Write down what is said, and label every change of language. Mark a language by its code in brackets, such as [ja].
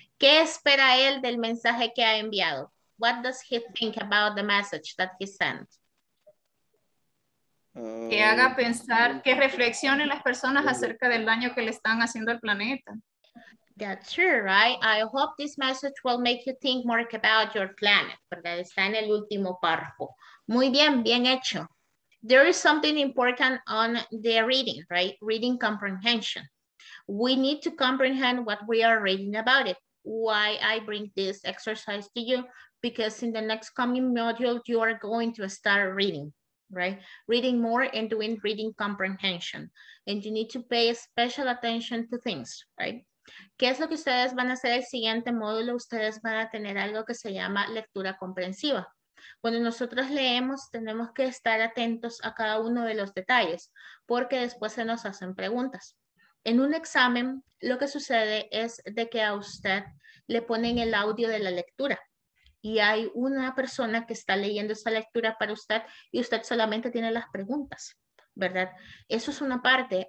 [es] ¿Qué espera él del mensaje que ha enviado? [en] What does he think about the message that he sent? [es] Que haga pensar, que reflexionen las personas acerca del daño que le están haciendo al planeta. [en] That's true, right? I hope this message will make you think more about your planet. ¿Verdad? [es] Está en el último párrafo. Muy bien, bien hecho. [en] There is something important on the reading, right? Reading comprehension. We need to comprehend what we are reading about it. Why I bring this exercise to you? Because in the next coming module, you are going to start reading, right? Reading more and doing reading comprehension. And you need to pay special attention to things, right? [es] ¿Qué es lo que ustedes van a hacer el siguiente módulo? Ustedes van a tener algo que se llama lectura comprensiva. Cuando nosotros leemos, tenemos que estar atentos a cada uno de los detalles, porque después se nos hacen preguntas. En un examen, lo que sucede es de que a usted le ponen el audio de la lectura y hay una persona que está leyendo esa lectura para usted y usted solamente tiene las preguntas, ¿verdad? Eso es una parte.